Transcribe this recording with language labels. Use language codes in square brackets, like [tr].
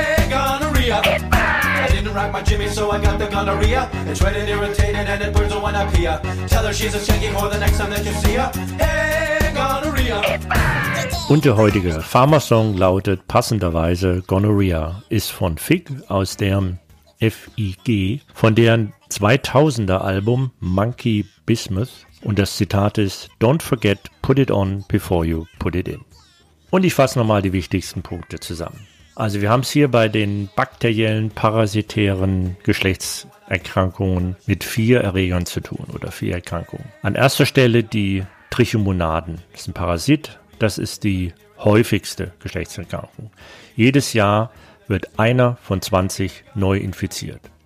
[en] I didn't rock my jimmy, so I got the gonorrhea. It's red and irritated and it burns when I pee. Tell her she's a skanky whore the next time that you see her. Hey, gonorrhea. [de] Und der heutige Pharma-Song lautet passenderweise Gonorrhea, ist von Fig aus dem F.I.G., von deren 2000er Album Monkey Bismuth. Und das Zitat ist, [en] don't forget, put it on before you put it in. [de] Und ich fasse nochmal die wichtigsten Punkte zusammen. Also wir haben es hier bei den bakteriellen, parasitären Geschlechtserkrankungen mit 4 Erregern zu tun oder 4 Erkrankungen. An erster Stelle die Trichomonaden. Das ist ein Parasit. Das ist die häufigste Geschlechtserkrankung. Jedes Jahr wird einer von 20 neu infiziert.